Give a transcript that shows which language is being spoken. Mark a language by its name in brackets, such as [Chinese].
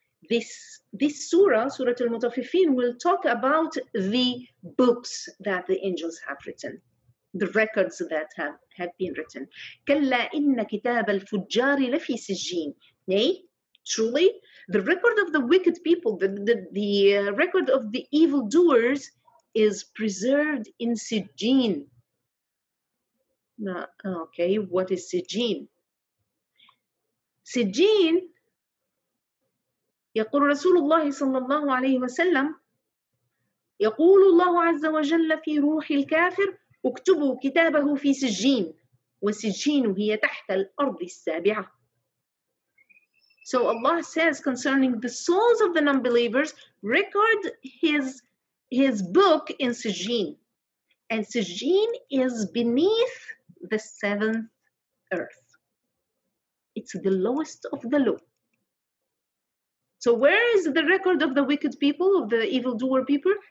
[English] This surah, Surah al-Mutafifeen, will talk about the books that the angels have written, the records that have been written. [Arabic] كَلَّا إِنَّ كِتَابَ الْفُجَّارِ لَفِي سِجِّينَ. [English] Nay, truly, the record of the wicked people, the record of the evildoers is preserved in Sijjin. Okay, what is Sijjin? [Arabic] Sijjin, يقول رسول الله صلى الله عليه وسلم, يقول الله عز وجل في روح الكافر, اكتبوا كتابه في سجين وسجين هي تحت الأرض السابعة. [English] So Allah says concerning the souls of the non-believers, record his book in سجين. And سجين is beneath the seventh earth. It's the lowest of the low. So where is the record of the wicked people, of the evildoer people?